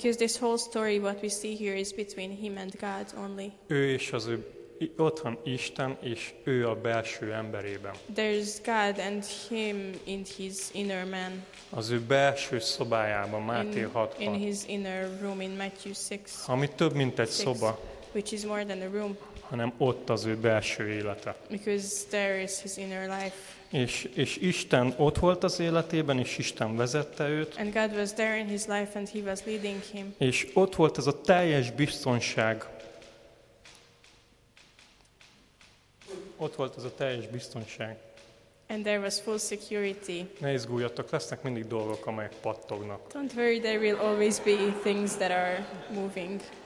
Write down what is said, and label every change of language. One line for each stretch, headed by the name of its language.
English: Because this whole story, what we see here, is between him and God only.
Hungarian: Ő és az ő, ott van Isten, és ő a belső emberében.
English: There's God and him in his inner man.
Hungarian: Az ő belső szobájában, Máté 6-ban.
English: In his inner room in Matthew 6.
Hungarian: Ami több, mint egy 6, szoba.
English: Which is more than a room.
Hungarian: Hanem ott az ő belső élete.
English: Because there is his inner life.
Hungarian: És Isten ott volt az életében, és Isten vezette őt.
English: And God was there in his life and he was leading him.
Hungarian: És ott volt ez a teljes biztonság. Ott volt ez a teljes biztonság.
English: And there was full security.
Hungarian: Ne izguljatok, lesznek mindig dolgok, amelyek pattognak.
English: Don't worry, there will always be things that are moving.